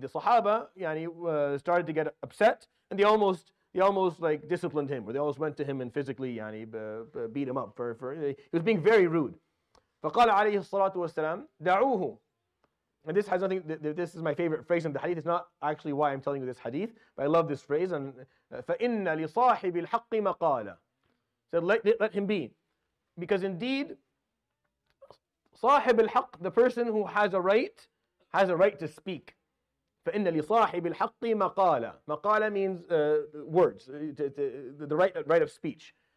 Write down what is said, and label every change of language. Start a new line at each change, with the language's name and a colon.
English: The Sahaba started to get upset, and they almost like disciplined him, or they almost went to him and physically beat him up for he was being very rude.
Arabic: فَقَالَ عَلَيْهِ الصَّلَاةُ وَالسَّلَامُ دَعُوهُ.
English: And this has nothing. This is my favorite phrase in the hadith. It's not actually why I'm telling you this hadith, but I love this phrase.
Arabic: And فَإِنَّ لِصَاحِبِ الْحَقِّ مَقَالَ.
English: Said let him be, because indeed,
Arabic: صاحب الحق,
English: the person who has a right to speak.
Arabic: فَإِنَّ لِصَاحِبِ الْحَقِّ مَقَالَ.
English: مَقَالَ means words, the right of speech.